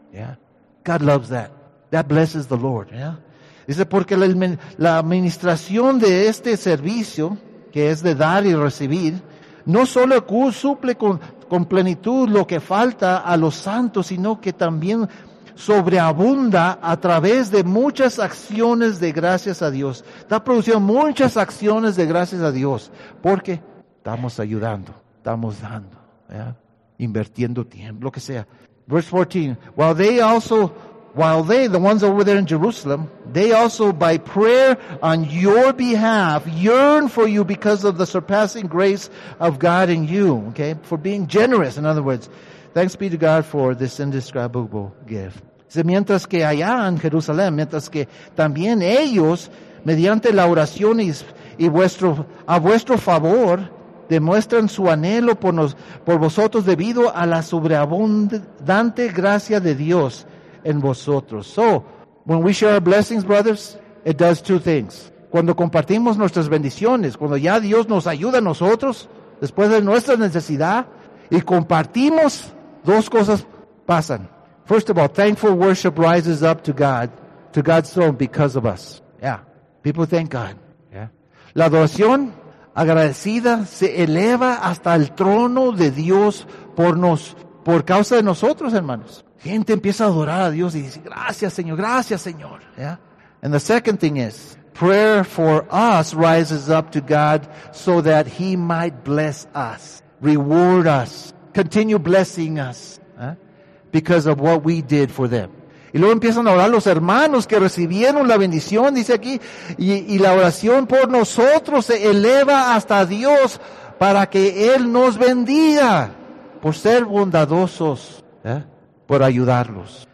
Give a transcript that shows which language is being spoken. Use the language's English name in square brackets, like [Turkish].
[English] Yeah. God loves that. That blesses the Lord. Yeah. [Spanish] Dice, porque la administración de este servicio, que es de dar y recibir, no solo suple con plenitud lo que falta a los santos, sino que también sobreabunda a través de muchas acciones de gracias a Dios. Está produciendo muchas acciones de gracias a Dios, porque estamos ayudando, estamos dando, ¿verdad? Invirtiendo tiempo, lo que sea. [English] Verse 14. While they, the ones over there in Jerusalem, they also by prayer on your behalf yearn for you because of the surpassing grace of God in you. Okay? For being generous. In other words, thanks be to God for this indescribable gift. [Spanish] Dice, mientras que allá en Jerusalén, mientras que también ellos, mediante la oración y a vuestro favor, demuestran su anhelo por vosotros debido a la sobreabundante gracia de Dios en vosotros. [English] So, when we share our blessings, brothers, it does two things. [Spanish] Cuando compartimos nuestras bendiciones, cuando ya Dios nos ayuda a nosotros, después de nuestra necesidad, y compartimos, dos cosas pasan. [English] First of all, thankful worship rises up to God's throne because of us. Yeah. People thank God. Yeah. [Spanish] La adoración agradecida se eleva hasta el trono de Dios por causa de nosotros, hermanos. Gente empieza a adorar a Dios y dice, gracias, Señor. [English] Yeah. And the second thing is, prayer for us rises up to God so that He might bless us, reward us, continue blessing us. Because of what we did for them. [Spanish] Y luego empiezan a orar los hermanos que recibieron la bendición, dice aquí, y la oración por nosotros se eleva hasta Dios para que Él nos bendiga por ser bondadosos, por ayudarlos.